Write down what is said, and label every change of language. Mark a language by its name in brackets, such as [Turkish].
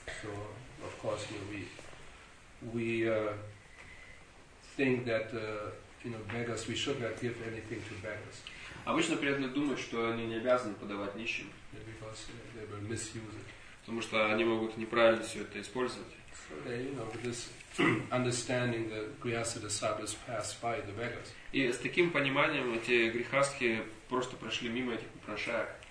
[English] So, of course, you know, we think that you know, beggars, we should not give anything to beggars. [Russian] Обычно преданные думают, что они не обязаны подавать нищим. [English] Yeah, because they will misuse it. [Russian] Потому что они могут неправильно все это использовать. [English] So they, you know, with this understanding that grihastha disciples passed by the beggars. [Russian] И с таким пониманием эти грехастки просто прошли мимо этих попрошаек.